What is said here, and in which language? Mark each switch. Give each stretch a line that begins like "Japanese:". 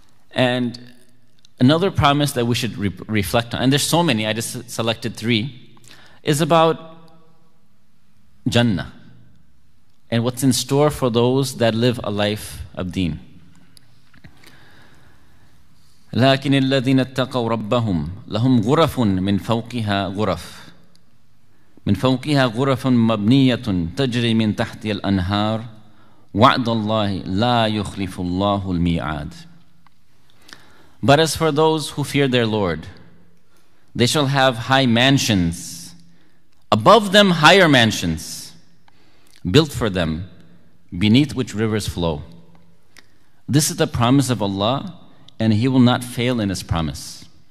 English: And another promise that we should reflect on, and there's so many, I just selected three, is about Jannah and what's in store for those that live a life of deen.
Arabic: لكن الذين اتقوا ربهم لهم غرف من فوقها غرف من فوقها غرف مبنية تجري من تحتها الأنهار وعد الله لا يخلف الله الميعاد.
English: But as for those who fear their Lord, they shall have high mansions, above them higher mansions, built for them, beneath which rivers flow. This is the promise of Allah, and he will not fail in his promise.